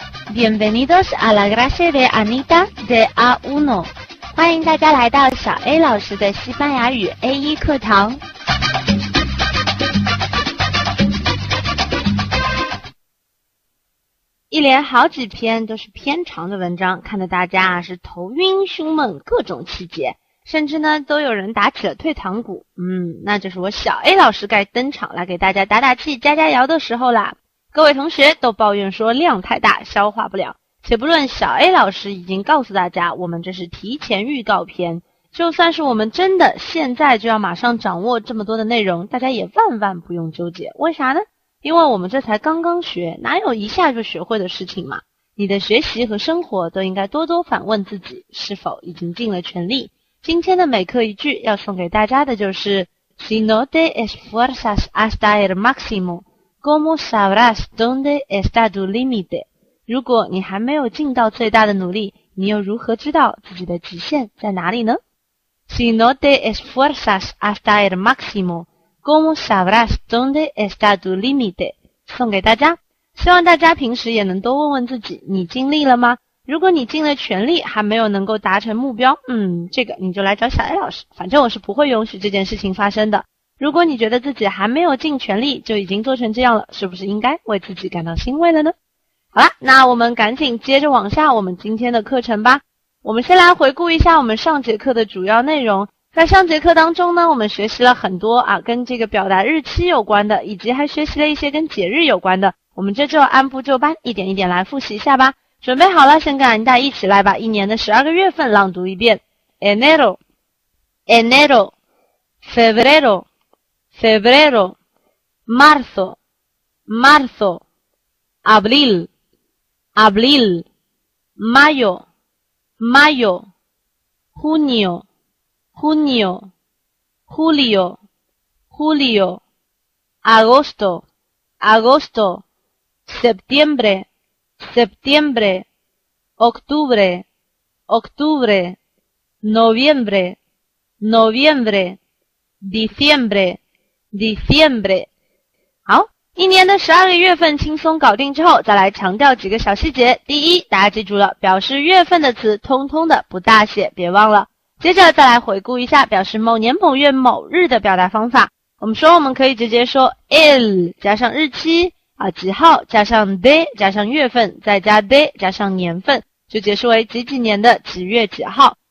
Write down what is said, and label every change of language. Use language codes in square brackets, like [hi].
[es] Bienvenidos a la clase de Anita de A1. [zh] 欢迎大家来到小 A 老师的西班牙语 A1 课堂。一连好几篇都是偏长的文章，看得大家是头晕胸闷，各种气节，甚至呢都有人打起了退堂鼓。那就是我小 A 老师该登场来给大家打打气加加油的时候啦。各位同学都抱怨说量太大消化不了，且不论小 A 老师已经告诉大家我们这是提前预告片，就算是我们真的现在就要马上掌握这么多的内容，大家也万万不用纠结。为啥呢？因为我们这才刚刚学，哪有一下就学会的事情嘛。你的学习和生活都应该多多反问自己是否已经尽了全力。今天的每课一句要送给大家的就是 [es] Si no te esfuerzas hasta el máximo,¿Cómo sabrás dónde está tu límite? [zh] 如果你还没有尽到最大的努力，你又如何知道自己的极限在哪里呢？ [es] Si no te esfuerzas hasta el máximo, ¿Cómo sabrás dónde está tu límite? [zh] 送给大家，希望大家平时也能多问问自己，你尽力了吗？如果你尽了全力还没有能够达成目标，这个你就来找小 A 老师，反正我是不会允许这件事情发生的。如果你觉得自己还没有尽全力就已经做成这样了，是不是应该为自己感到欣慰了呢？好啦，那我们赶紧接着往下我们今天的课程吧。我们先来回顾一下我们上节课的主要内容。在上节课当中呢，我们学习了很多跟这个表达日期有关的，以及还学习了一些跟节日有关的。我们这就按部就班一点一点来复习一下吧。准备好了，先跟安大一起来把一年的12个月份朗读一遍。 [es] Enero Enero FebreroFebrero, marzo, marzo, abril, abril, mayo, mayo, junio, junio, julio, julio, agosto, agosto, septiembre, septiembre, octubre, octubre, noviembre, noviembre, diciembre,diciembre。 [zh] 好，一年的12个月份轻松搞定之后，再来强调几个小细节。第一，大家记住了，表示月份的词通通的不大写，别忘了。接着再来回顾一下表示某年某月某日的表达方法。我们说我们可以直接说 el 加上日期几号加上 de 加上月份再加 de 加上年份，就解释为几几年的几月几号。